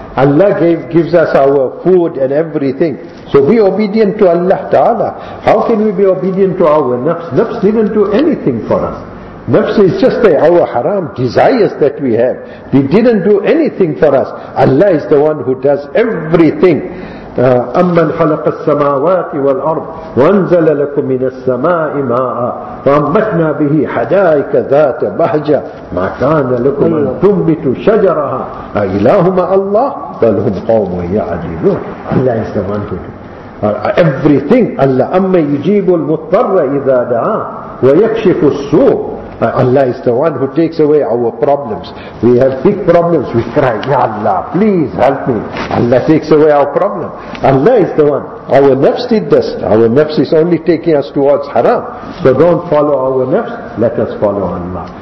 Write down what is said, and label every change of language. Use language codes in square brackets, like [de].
[en] Allah gives us our food and everything. So be obedient to Allah Ta'ala. How can we be obedient to our nafs? Nafs didn't do anything for us. Nafs is just our haram desires that we have. They didn't do anything for us. Allah is the one who does everything. [ar] أَمَّنْ خَلَقَ السَّمَاوَاتِ وَالْأَرْضِ وَانْزَلَ لَكُمْ مِنَ السَّمَاءِ مَاءً فَأَنْبَتْنَا بِهِ حَدَائِقَ ذَاتَ بَهْجَةٍ مَا كَانَ لَكُمْ أَنْ تُنْبِتُوا شَجَرَهَا أَإِلَهٌ مَعَ اللَّهِ بَلْ هُمْ قَوْمٌ يَعْدِلُونَ اللَّهُ [en] is the one who do everything. [ar] أَمَّنْ يُجِيبُ الْمُضْطَرَّ إِذَا دَعَاهُ وَيَكْشِفُ السُّوءَ [en] Allah is the one who takes away our problems. We have big problems, we cry, Ya Allah, please help me. Allah takes away our problem. Allah is the one. Our nafs did this. Our nafs is only taking us towards haram. So don't follow our nafs, let us follow Allah.